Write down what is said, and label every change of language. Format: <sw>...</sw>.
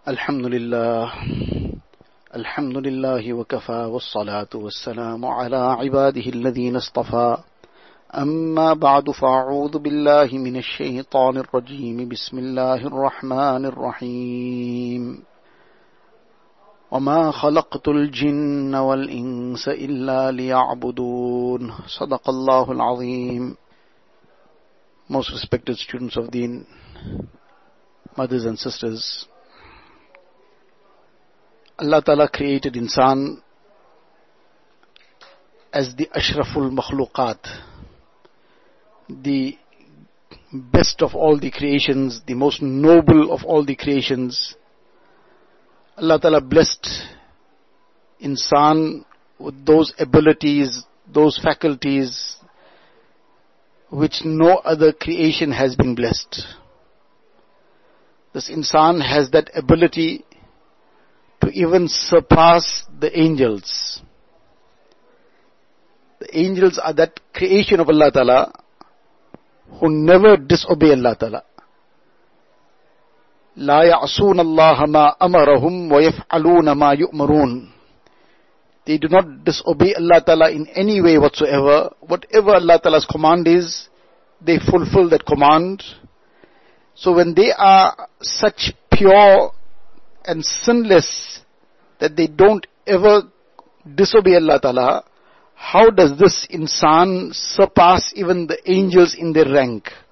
<ar>الحمد لله الحمد لله وكفى والصلاة والسلام على عباده الذين اصطفى أما بعد فأعوذ بالله من الشيطان الرجيم بسم الله الرحمن الرحيم وما خلقت الجن والإنس إلا ليعبدون صدق الله العظيم.</ar> <en>Most respected students of Deen, mothers and sisters, Allah Ta'ala created insan as the ashraful makhluqat, the best of all the creations, the most noble of all the creations. Allah Ta'ala blessed insan with those abilities, those faculties, which no other creation has been blessed. This insan has that ability to even surpass the angels. The angels are that creation of Allah Ta'ala who never disobey Allah Ta'ala.</en> <ar>لا يعصون الله ما أمرهم ويفعلون ما يؤمرون.</ar> <en>They do not disobey Allah Ta'ala in any way whatsoever. Whatever Allah Ta'ala's command is, they fulfill that command. So when they are such pure and sinless that they don't ever disobey Allah Ta'ala, how does this insan surpass even the angels in their rank?</en>